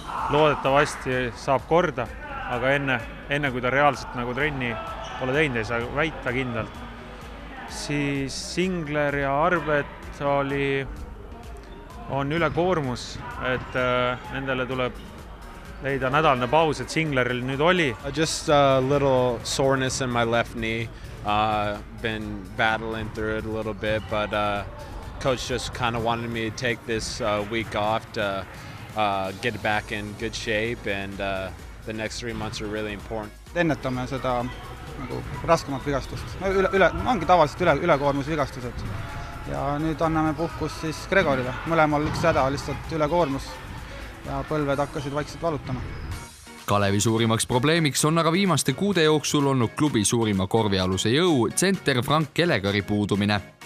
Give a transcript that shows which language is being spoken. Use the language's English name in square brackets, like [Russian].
[Estonian] Loodetavasti saab korda, aga enne kui ta reaalselt nagu trenni pole teinud, ei saa väita kindlalt. Siis Singler ja Arvet on üle koormus, et nendele tuleb leida nädalane paus, et Singleril nüüd oli. [English] Just a little soreness in my left knee. Been battling through it a little bit, but coach just kind of wanted me to take this week off to get back in good shape, and the next 3 months are really important. [Estonian] Ennetame seda raskemat vigastust. Ongi tavaliselt ülekoormus vigastused. Ja nüüd anname puhkus siis Gregorile. Mõlemal üks häda, lihtsalt ülekoormus. Ja põlved hakkasid vaikselt valutama. Kalevi suurimaks probleemiks on aga viimaste kuude jooksul olnud klubi suurima korvialuse jõu, center Frank Kelegari puudumine.